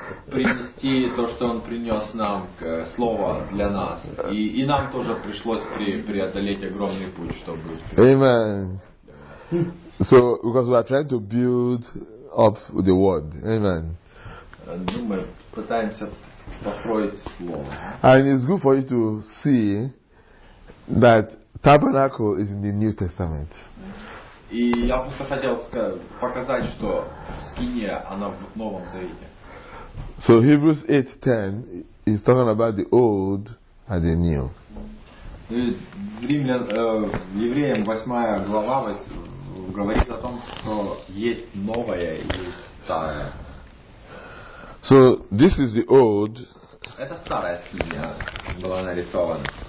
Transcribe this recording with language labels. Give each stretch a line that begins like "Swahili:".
Russian: Принести то, что он принес нам, слово для нас. И нам тоже пришлось преодолеть огромный путь, чтобы.
English: Amen. So because we are trying to build up the word. Amen.
Russian: Мы пытаемся построить слово.
English: And it's good for you to see that tabernacle is in the New Testament.
Russian: И я просто хотел показать, что скиния она в Новом Завете.
English: So Hebrews 8:10 is talking about the old and the new.
Russian: Евреям 8 глава говорит о том, что есть новое и старое.
English: So this is the old.
Russian: Это старая скиния была нарисована.